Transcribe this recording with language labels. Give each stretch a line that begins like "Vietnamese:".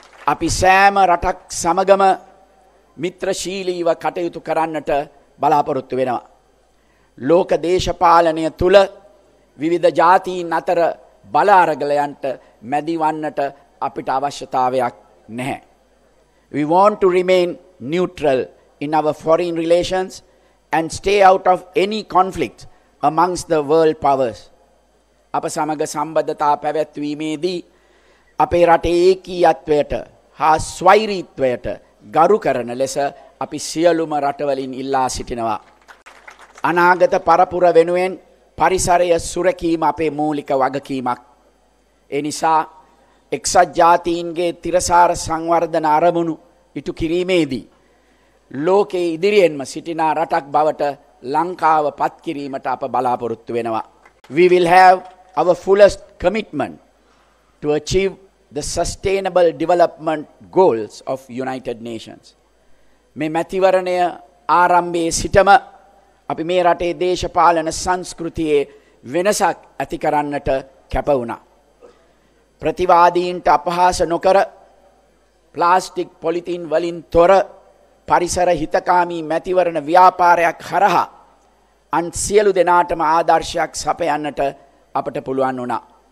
Sinhala: අපි සෑම රටක් සමගම මිත්‍රශීලීව කටයුතු කරන්නට බලාපොරොත්තු වෙනවා. ලෝක දේශපාලනය තුළ විවිධ ජාතීන් අතර බල අරගලයන්ට මැදිවන්නට අපිට අවශ්‍යතාවයක් නැහැ.
English: We want to remain neutral in our foreign relations and stay out of any conflict amongst the world powers.
Sinhala: අප සමග සම්බන්ධතා පැවැත්වීමේදී අපේ රටේ ඒකීයත්වයට හා ස්වෛරීත්වයට ගරු කරන ලෙස අපි සියලුම රටවලින් ඉල්ලා සිටිනවා. අනාගත පරපුර වෙනුවෙන් පරිසරය සුරකීම අපේ මූලික වගකීමක්. ඒ නිසා එක්සත් ජාතීන්ගේ තිරසාර සංවර්ධන අරමුණු ඉටු කිරීමේදී ලෝකයේ ඉදිරියෙන්ම සිටින රටක් බවට ලංකාව පත් කිරීමට අප බලාපොරොත්තු වෙනවා.
English: We will have our fullest commitment to achieve the Sustainable Development Goals of United Nations.
Sinhala: මේ මැතිවරණය ආරම්භයේ සිටම අපි මේ රටේ දේශපාලන සංස්කෘතියේ වෙනසක් ඇති කරන්නට කැප වුණා. ප්‍රතිවාදීන්ට අපහාස නොකර, ප්ලාස්ටික් පොලිතින් වලින් තොර පරිසර හිතකාමී මැතිවරණ ව්‍යාපාරයක් හරහා අන් සියලු දෙනාටම ආදර්ශයක් සපයන්නට අපට පුළුවන් වුණා.